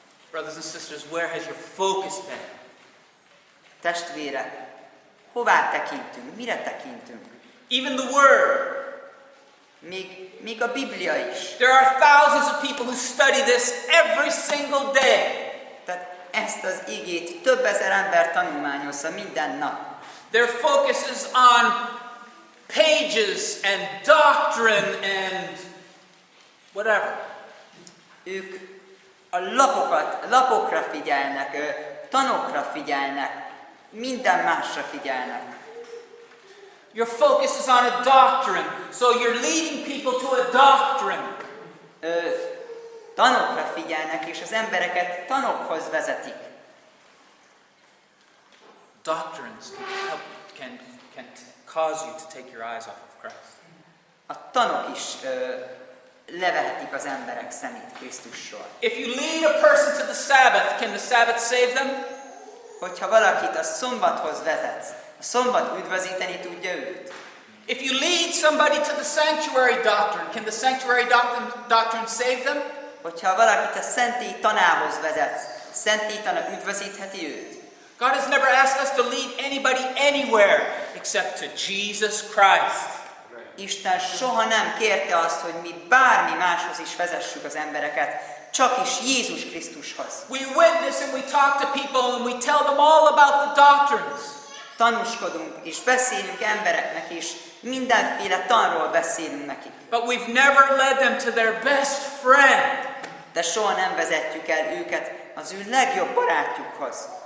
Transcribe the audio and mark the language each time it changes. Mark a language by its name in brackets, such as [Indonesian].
[English] brothers and sisters, where has your focus been? [Hungarian] Testvérek, hová tekintünk? Mire tekintünk? [English] Even the Word. [Hungarian] Még a Biblia is. [English] There are thousands of people who study this every single day. [Hungarian] Tehát ezt az igét több ezer ember tanulmányozza minden nap. [English] Their focus is on pages and doctrine and whatever. [Hungarian] Ők a lapokra figyelnek, tanokra figyelnek, minden másra figyelnek. [English] Your focus is on a doctrine, so you're leading people to a doctrine. [Hungarian] Tanokra figyelnek, és az embereket tanokhoz vezetik. [English] Doctrines can help, can cause you to take your eyes off of Christ. [Hungarian] A tanok is levehetik az emberek szemét Krisztussal. [English] If you lead a person to the Sabbath, can the Sabbath save them? [Hungarian] Hogyha valakit a szombathoz vezetsz, a szombat üdvözíteni tudja őt. [English] If you lead somebody to the sanctuary doctrine, can the sanctuary doctrine save them? [Hungarian] Hogyha valakit a szentély tanához vezetsz, a szentély tana üdvözítheti őt. [English] God has never asked us to lead anybody anywhere except to Jesus Christ. [Hungarian] Isten soha nem kérte azt, hogy mi bármi máshoz is vezessük az embereket, csak is Jézus Krisztushoz. [English] We witness and we talk to people and we tell them all about the doctrines. [Hungarian] Tanúskodunk és beszélünk embereknek és mindenféle tanról beszélünk nekik. [English] But we've never led them to their best friend. [Hungarian] De soha nem vezetjük el őket az ő legjobb barátjukhoz.